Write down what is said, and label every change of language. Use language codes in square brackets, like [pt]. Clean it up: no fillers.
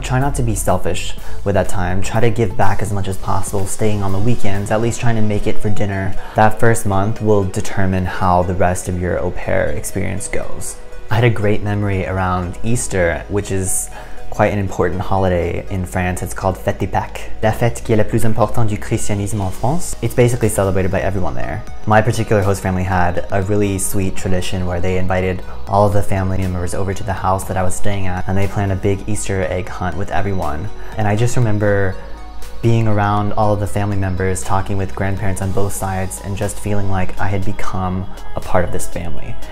[en] Try not to be selfish with that time. Try to give back as much as possible, staying on the weekends, at least trying to make it for dinner. That first month will determine how the rest of your au pair experience goes. I had a great memory around Easter, which is quite an important holiday in France. It's called Fête d'Epargne. [fr] La fête qui est la plus importante du christianisme en France. [en] It's basically celebrated by everyone there. My particular host family had a really sweet tradition where they invited all of the family members over to the house that I was staying at, and they planned a big Easter egg hunt with everyone. And I just remember being around all of the family members, talking with grandparents on both sides, and just feeling like I had become a part of this family.